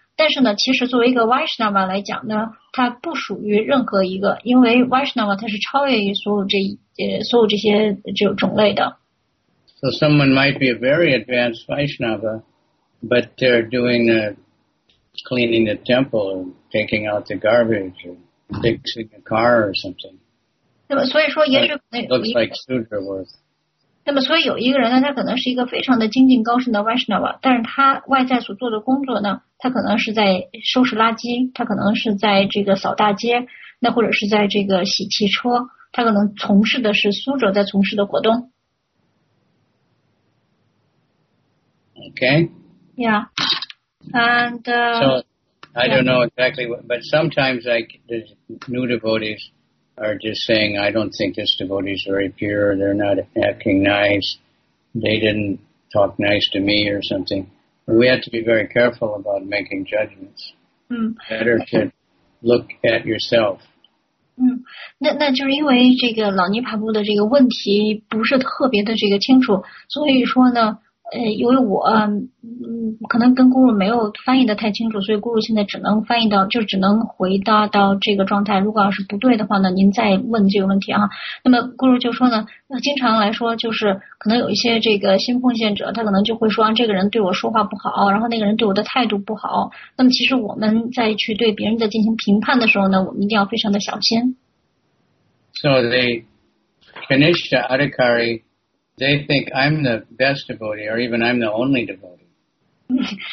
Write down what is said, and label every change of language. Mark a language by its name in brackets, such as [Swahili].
[Chinese] 但是呢，其实作为一个 Vaishnava 来讲呢，它不属于任何一个，因为 Vaishnava 它是超越于所有这些这种类的。 [English] So someone might be a very advanced Vaishnava. But they're doing the cleaning the temple, taking out the garbage, or fixing a car or something. Looks like Sudra worth. [Chinese] 那么所以有一个人呢，他可能是一个非常的精进高深的 Vaishnava， 但是他外在所做的工作呢，他可能是在收拾垃圾，他可能是在这个扫大街，那或者是在这个洗汽车，他可能从事的是 Sudra 在从事的活动。 [English] Okay? Yeah. And, I don't know exactly what, but sometimes the new devotees are just saying, I don't think this devotee is very pure, they're not acting nice, they didn't talk nice to me or something. We have to be very careful about making judgments. Better to look at yourself. [Chinese] 那就是因为这个老尼帕布的这个问题不是特别的这个清楚，所以说呢，由于我可能跟咕噜没有翻译的太清楚，所以咕噜现在只能翻译到，就只能回答到这个状态。如果要是不对的话呢，您再问这个问题啊。那么咕噜就说呢，经常来说就是可能有一些这个新奉献者，他可能就会说，这个人对我说话不好，然后那个人对我的态度不好。那么其实我们在去对别人的进行评判的时候呢，我们一定要非常的小心。 [English] So the Kanishka Adhikari, they think I'm the best devotee, or even I'm the only devotee.